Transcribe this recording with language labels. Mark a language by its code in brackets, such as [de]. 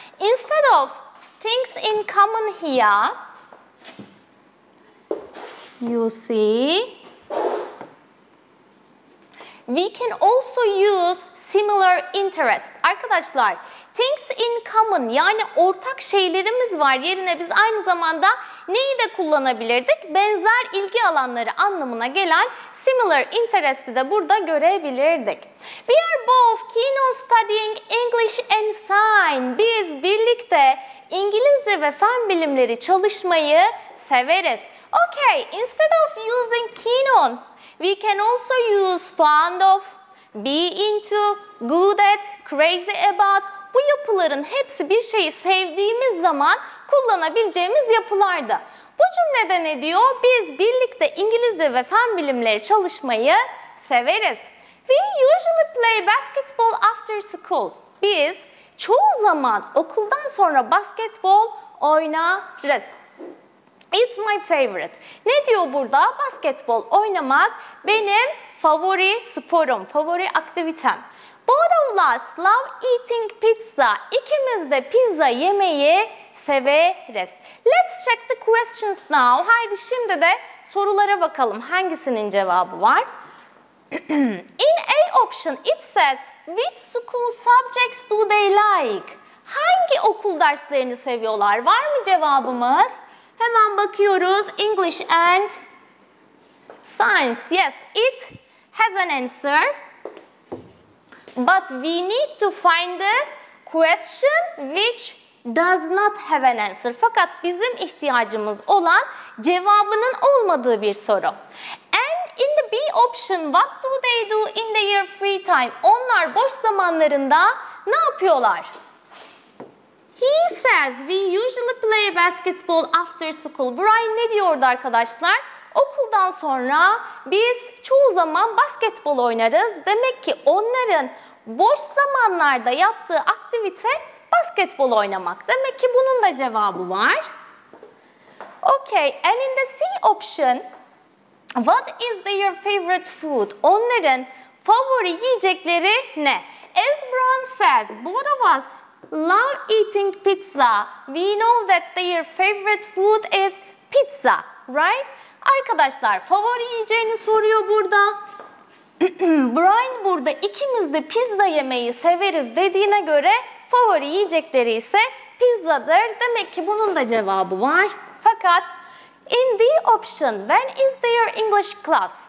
[en] Instead of things in common here, you see, we can also use similar interest. [tr] Arkadaşlar, [en] things in common, [tr] yani ortak şeylerimiz var yerine biz aynı zamanda neyi de kullanabilirdik? Benzer ilgi alanları anlamına gelen similar interest'i de burada görebilirdik. [en] We are both keen on studying English and science. [tr] Biz birlikte İngilizce ve fen bilimleri çalışmayı severiz. [en] Okay, instead of using keen on, we can also use fond of, be into, good at, crazy about. [tr] Bu yapıların hepsi bir şeyi sevdiğimiz zaman kullanabileceğimiz yapılardı. Bu cümlede ne diyor? Biz birlikte İngilizce ve fen bilimleri çalışmayı severiz. [en] We usually play basketball after school. [tr] Biz çoğu zaman okuldan sonra basketbol oynarız. [en] It's my favorite. [tr] Ne diyor burada? Basketbol oynamak benim favori sporum, favori aktivitem. [en] Both of us love eating pizza. [tr] İkimiz de pizza yemeyi severiz. [en] Let's check the questions now. [tr] Haydi şimdi de sorulara bakalım hangisinin cevabı var. [en] In A option it says, which school subjects do they like? [tr] Hangi okul derslerini seviyorlar? Var mı cevabımız? Hemen bakıyoruz. [en] English and science. Yes, it has an answer. But we need to find the question which does not have an answer. [tr] Fakat bizim ihtiyacımız olan cevabının olmadığı bir soru. [en] And in the B option, what do they do in their free time? [tr] Onlar boş zamanlarında ne yapıyorlar? [en] He says we usually play basketball after school. [tr] Brian ne diyordu arkadaşlar? Okuldan sonra biz çoğu zaman basketbol oynarız. Demek ki onların boş zamanlarda yaptığı aktivite basketbol oynamak. Demek ki bunun da cevabı var. [en] Okay, and in the C option, what is their favorite food? [tr] Onların favori yiyecekleri ne? [en] As Brian says, both of us love eating pizza. We know that their favorite food is pizza, right? [tr] Arkadaşlar, favori yiyeceğini soruyor burada. Brian burada ikimiz de pizza yemeyi severiz dediğine göre favori yiyecekleri ise pizzadır. Demek ki bunun da cevabı var. Fakat [en] in the option, when is their English class?